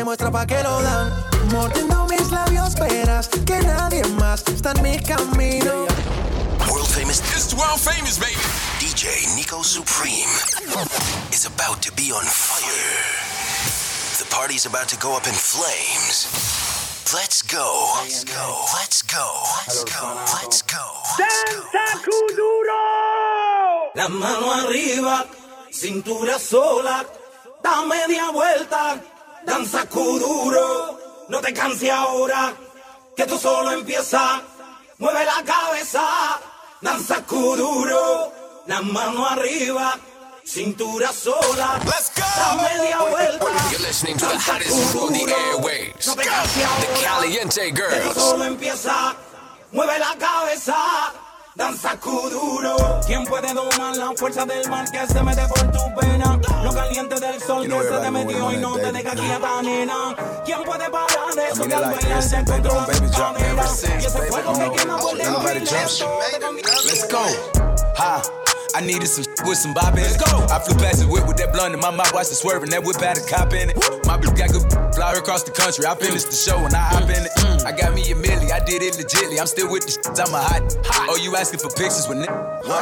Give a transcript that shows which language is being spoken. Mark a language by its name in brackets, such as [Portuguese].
[Spanish] Pa' que lo dan, mordiendo mis labios, esperas que nadie más está en mi camino. [English] World famous, it's world famous, baby. DJ Nico Supreme is about to be on fire. The party's about to go up in flames. Let's go, let's go, let's go, let's go, let's go. [Spanish] Senta Kuduro! La mano arriba, cintura sola, da media vuelta. Danza Kuduro, no te canses ahora, que tú solo empieza, mueve la cabeza. Danza Kuduro, la mano arriba, cintura sola. [English] Let's go. [Spanish] Da media vuelta. [English] You're listening to Danza the hottest crew on the airwaves. [Spanish] No te canses ahora. [English] The Caliente Girls. [Spanish] Que tú solo empieza, mueve la cabeza. Danza Kuduro. ¿Quién puede domar la fuerza del mar que se mete por tu pena? Lo caliente del sol que se te metió y no te deja quieta, nena. ¿Quién puede parar eso que al bailar se encuentra la cadera? Y ese fuego que quema por dentro y lento. [English] Let's go. Ha. I needed some with some bop in it. Let's go. I flew past the whip with that blunt in my mouth, watched it swerving. That whip had a cop in it. My bitch got good fly across the country. I finished the show and I hop in it. I got me a milli, I did it legitly. I'm still with the shits, I'm a hot. Oh, you asking for pictures with nigga?